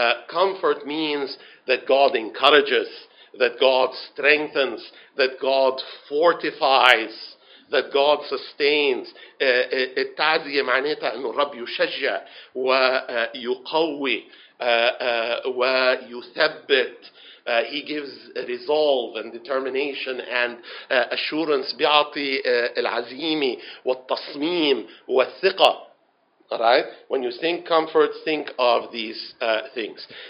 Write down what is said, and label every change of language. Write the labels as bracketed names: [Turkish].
[English] Comfort means that God encourages, that God strengthens, that God fortifies, that God sustains. [Arabic] التعزية معناتها إنه الرب يشجع ويقوي ويثبت. [English] He gives resolve and determination and assurance. [Arabic] بيعطي العزيمة والتصميم والثقة. [English] All right. When you think comfort, think of these things.